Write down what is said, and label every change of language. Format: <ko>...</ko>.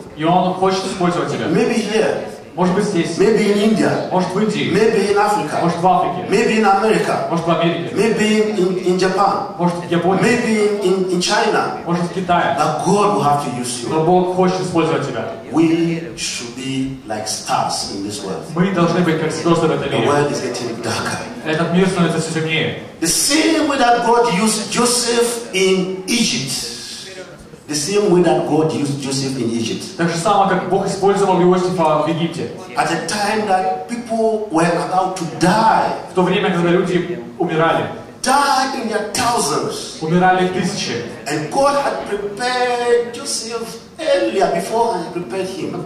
<ru>И Он хочет использовать тебя.</ru> <en>Maybe here.</en> <ru>Может быть здесь.</ru> <en>Maybe in India.</en> <ru>Может в Индии.</ru> <en>Maybe in Africa.</en> <ru>Может в Африке.</ru> <en>Maybe in America.</en> <ru>Может в Америке.</ru> <en>Maybe in Japan.</en> <ru>Может в Японии.</ru> <en>Maybe in China.</en> <ru>Может в Китае.</ru> <en>But God will have to use you.</en> <ru>Но Бог хочет использовать тебя.</ru> <en>We should be like stars in this world.</en> <ru>Мы должны быть как звезды в этом мире.</ru> <en>The world is getting darker.</en> <ru>Этот мир становится все темнее.</ru> <en>The same way that God used Joseph in Egypt. The same way that God used Joseph in Egypt.</en> <ru>Так же самое, как Бог использовал Иосифа в Египте.</ru> <en>At a time that people were about to die.</en> <ru>В то время, когда люди умирали.</ru> <en>Died in their thousands.</en> <ru>Умирали тысячи.</ru> <en>And God had prepared Joseph earlier before He prepared him.</en>